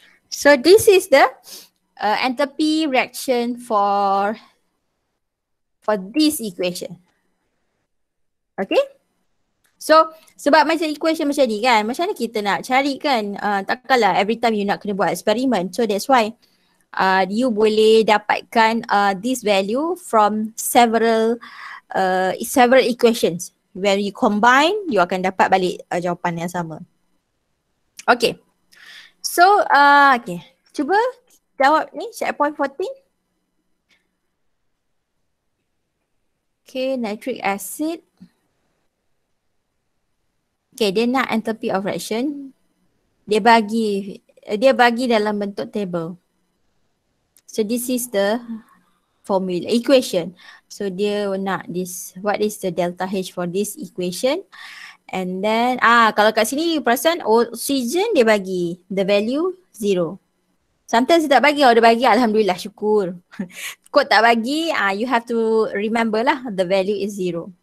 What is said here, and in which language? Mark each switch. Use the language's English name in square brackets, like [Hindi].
[English] So this is the enthalpy reaction for this equation. Okay? [Malay] So, sebab macam equation macam ni kan, macam mana kita nak cari kan, takkanlah [English] every time you [Malay] nak kena buat eksperimen. [English] So that's why you [Malay] boleh dapatkan [English] this value from several equations. When you combine, you [Malay] akan dapat balik jawapan yang sama. Okay. So, okay. Cuba jawab ni, checkpoint 14. [English] Okay, nitric acid. [Malay] Okay, dia nak enthalpy of reaction. Dia bagi dalam bentuk table. [English] So, this is the formula, equation. So, [Malay] dia nak [English] this, what is the delta H for this equation? And then, [Malay] kalau kat sini you perasan oxygen dia bagi [English] the value zero. Sometimes [Malay] dia tak bagi. Kalau dia bagi, alhamdulillah, syukur. Kod tak bagi, [English] you have to remember [Malay] lah [English] the value is zero.